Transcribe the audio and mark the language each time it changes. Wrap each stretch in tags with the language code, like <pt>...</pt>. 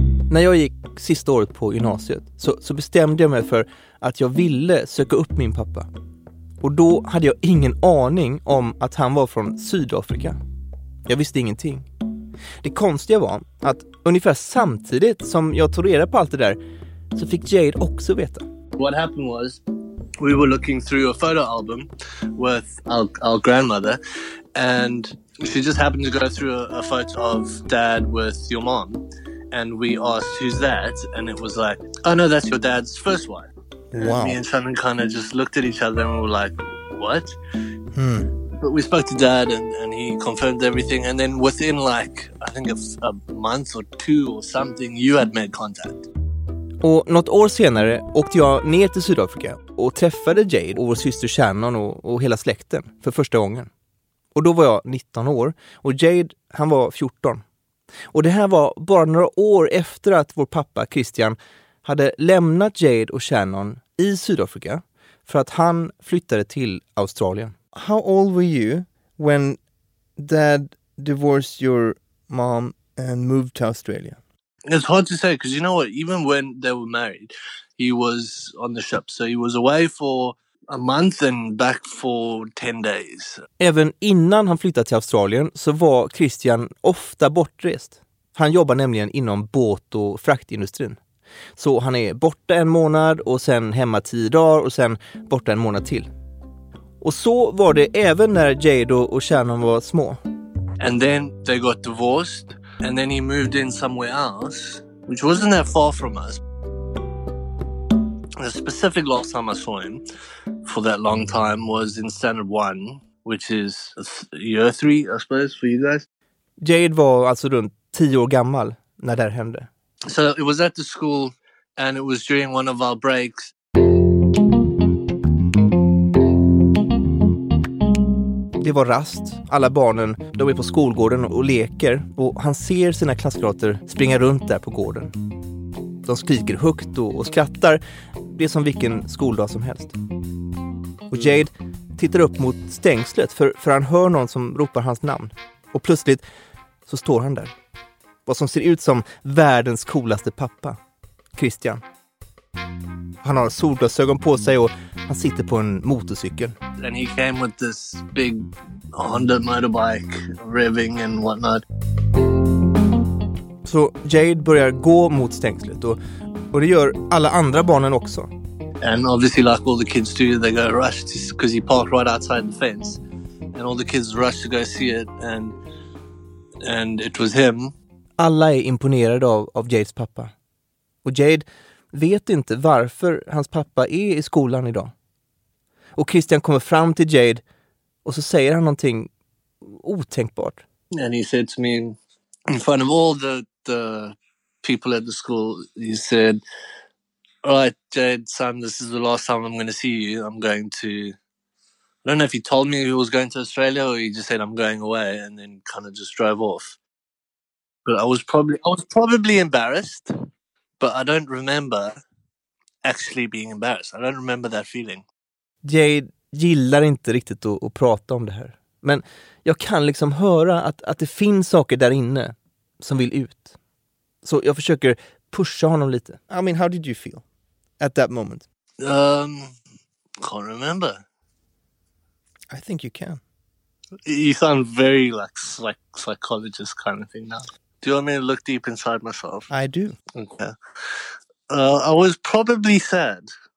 <sv>När jag gick sista året på gymnasiet så bestämde jag mig för att jag ville söka upp min pappa. Och då hade jag ingen aning om att han var från Sydafrika. Jag visste ingenting. Det konstiga var att ungefär samtidigt som jag tog reda på allt det där så fick Jade också veta.</sv> <en>What happened was we were looking through a photo album with our grandmother and she just happened to go through a photo of dad with your mom. And we asked, who's that? And it was like, oh no, that's your dad's first wife. Wow. And me and Shannon kind of just looked at each other and we were like, what? Hmm. But we spoke to dad and he confirmed everything. And then within like, I think a month or two or something, you had made contact.</en> <sv>Och något år senare åkte jag ner till Sydafrika och träffade Jade och vår syster Shannon och hela släkten för första gången. Och då var jag 19 år och Jade, han var 14. Och det här var bara några år efter att vår pappa Christian hade lämnat Jade och Shannon i Sydafrika för att han flyttade till Australien.</sv> <en>How old were you when dad divorced your mom and moved to Australia? It's hard to say because you know what, even when they were married, he was on the ship. So he was away for a month and back for 10 days.</en> <sv>Även innan han flyttade till Australien så var Christian ofta bortrest. Han jobbar nämligen inom båt- och fraktindustrin. Så han är borta en månad och sen hemma 10 dagar och sen borta en månad till. Och så var det även när Jade och Shannon var små.</sv> <en>And then they got divorced and then he moved in somewhere else which wasn't that far from us. The specific last time I saw him for that long time was in standard one, which is year three, I suppose, for you guys.</en> <sv>Jade var alltså runt 10 år gammal när det här hände.</sv> <en>So it was at the school and it was during one of our breaks.</en> <sv>Det var rast. Alla barnen, de är på skolgården och leker. Och han ser sina klasskamrater springa runt där på gården. De skriker högt och skrattar. Det är som vilken skoldag som helst. Och Jade tittar upp mot stängslet för han hör någon som ropar hans namn. Och plötsligt så står han där. Vad som ser ut som världens coolaste pappa. Christian. Han har solglasögon på sig och Han sitter på en motorcykel.</sv> <en>And he came with this big Honda motorbike, revving and whatnot.</en> <sv>Så Jade börjar gå mot stängslet och det gör alla andra barnen också.</sv> <en>And obviously like all the kids do, they go rush because he parked right outside the fence. And all the kids rush to go see it and it was him.</en> <sv>Alla är imponerade av Jades pappa. Och Jade vet inte varför hans pappa är i skolan idag. Och Christian kommer fram till Jade och så säger han någonting otänkbart.</sv> <en>And he said to me, in front of all the people at the school, he said, all right, Jade, son, this is the last time I'm going to see you. I'm going to, I don't know if he told me he was going to Australia or he just said I'm going away and then kind of just drove off. But I was probably embarrassed, but I don't remember actually being embarrassed. I don't remember that feeling.</en> <sv>Jade gillar inte riktigt att prata om det här. Men jag kan liksom höra att det finns saker där inne som vill ut. Så jag försöker pusha honom lite.</sv> <en>I mean, how did you feel at that moment? Can't remember. I think you can. You sound very like psychologist kind of thing now. Do you want me to look deep inside myself? I do. Okay. I was probably sad.</en>